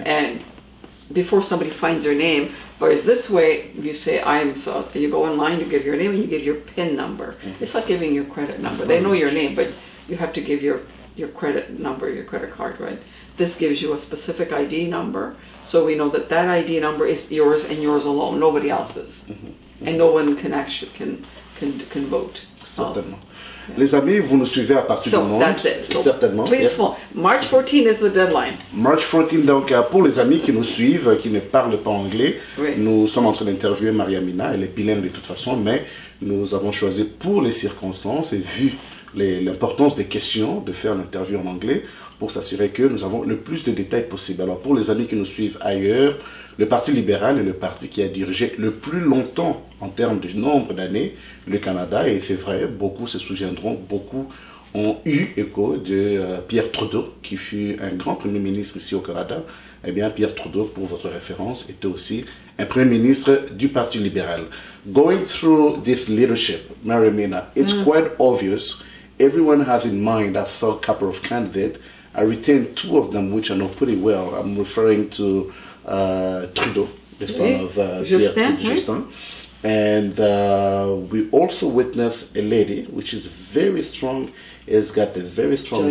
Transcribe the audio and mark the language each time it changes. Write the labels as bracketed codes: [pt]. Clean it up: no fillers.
[en] And before somebody finds your name, but it's this way, you say, you go online, you give your name, and you give your PIN number. Mm-hmm. It's like giving your credit number. They know your name, but you have to give your credit number, your credit card, right? This gives you a specific ID number, so we know that ID number is yours and yours alone, nobody else's. Mm-hmm. Mm-hmm. And no one can vote. [fr] Les amis, vous nous suivez à partir du monde. [en] So, [fr] certainement. [en] Please, yeah. March 14 is the deadline. [fr] March 14, donc, pour les amis qui nous suivent, qui ne parlent pas anglais, oui. Nous sommes en train d'interviewer Maria Minna, elle est bilingue de toute façon, mais nous avons choisi pour les circonstances et vu l'importance des questions de faire l'interview en anglais pour s'assurer que nous avons le plus de détails possible. Alors, pour les amis qui nous suivent ailleurs, le Parti libéral est le parti qui a dirigé le plus longtemps en termes de nombre d'années le Canada. Et c'est vrai, beaucoup se souviendront, beaucoup ont eu écho de Pierre Trudeau, qui fut un grand premier ministre ici au Canada. Eh bien, Pierre Trudeau, pour votre référence, était aussi un premier ministre du Parti libéral. [en] Going through this leadership, Mary Minna, it's quite obvious. Everyone has in mind, I've thought, a couple of candidates. I retained two of them, which I know pretty well. I'm referring to Trudeau, the son of Justin. And we also witnessed a lady, which is very strong, has got a very strong